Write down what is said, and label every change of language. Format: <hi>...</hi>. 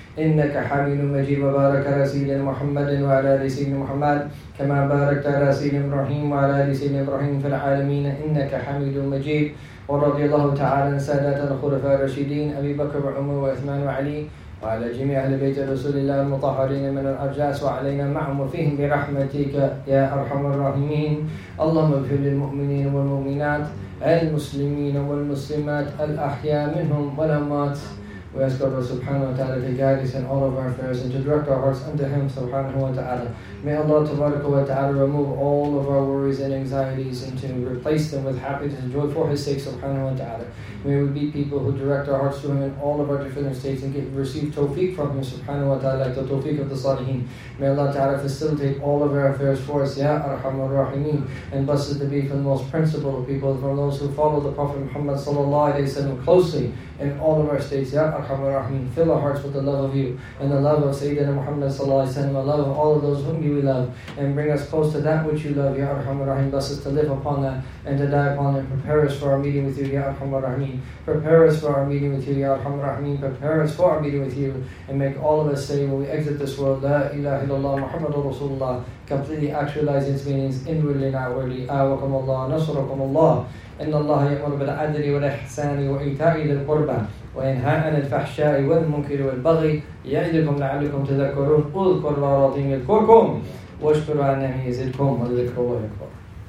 <ar>إنك حميد مجيد وبارك على سيدنا محمد وعلى آل سيدنا محمد كما باركت على سيدنا إبراهيم وعلى آل سيدنا إبراهيم في العالمين إنك حميد مجيد ورضي الله تعالى عن سادات الخلفاء الراشدين أبي بكر وعمر وعثمان وعلي وعلى جميع أهل بيت رسول الله المطهرين من الأرجاس وعلينا معهم وفيهم برحمتك يا أرحم الراحمين اللهم اغفر للمؤمنين والمؤمنات المسلمين والمسلمات الأحياء منهم والأموات</ar> <en>We ask God subhanahu wa ta'ala to guide us in all of our affairs and to direct our hearts unto Him subhanahu wa ta'ala. May Allah tabaraka wa ta'ala remove all of our worries and anxieties and to replace them with happiness and joy for His sake subhanahu wa ta'ala. May we be people who direct our hearts to Him in all of our different estates and receive tawfiq from Him subhanahu wa ta'ala, like the tawfiq of the salihin. May Allah ta'ala facilitate all of our affairs for us, ya arhamar rahimin. And blessed to be from the most principled people, from those who follow the Prophet Muhammad sallallahu alayhi wa sallam closely in all of our states, ya arhamar rahimin. Fill our hearts with the love of you and the love of Sayyidina Muhammad sallallahu alayhi wa sallam, the love of all of those whom we love, and bring us close to that which you love, ya arhamar rahimin. Bless us to live upon that and to die upon it. Prepare us for our meeting with you, ya arhamar rahimin. Prepare us for our meeting with you, ya arhamar rahimin. Prepare us for our meeting with you, and make all of us say when we exit this world,</en> <ar>la ilaha illallah Muhammadur Rasulullah,</ar> <en>completely actualize its meanings inwardly and outwardly.</en> <ar>Awakum Allah, nasrakum Allah. إن الله يأمر بالعدل والإحسان وإيتاء ذي القربى وينهى عن الفحشاء والمنكر والبغي يعظكم لعلكم تذكرون اذكروا الله العظيم يذكركم واشكروا على نعمه يزدكم ولذكر الله أكبر</ar>